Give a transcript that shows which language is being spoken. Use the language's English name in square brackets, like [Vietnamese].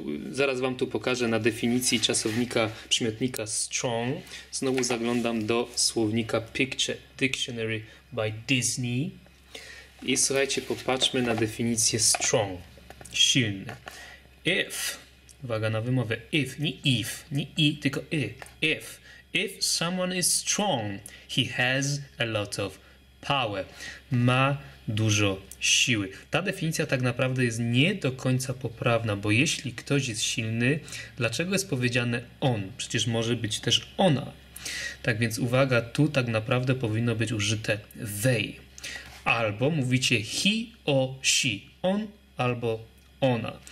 [Polish] Zaraz wam tu pokażę na definicji czasownika przymiotnika strong. Znowu zaglądam do słownika Picture Dictionary by Disney. I słuchajcie, popatrzmy na definicję strong. Silny. [English] If, [Polish] uwaga na wymowę, [English] if someone is strong, he has a lot of power. [Polish] Ma dużo siły. Ta definicja tak naprawdę jest nie do końca poprawna, bo jeśli ktoś jest silny, dlaczego jest powiedziane on? Przecież może być też ona. Tak więc uwaga, tu tak naprawdę powinno być użyte they. Albo mówicie [English] he or she. [Polish] On albo ona.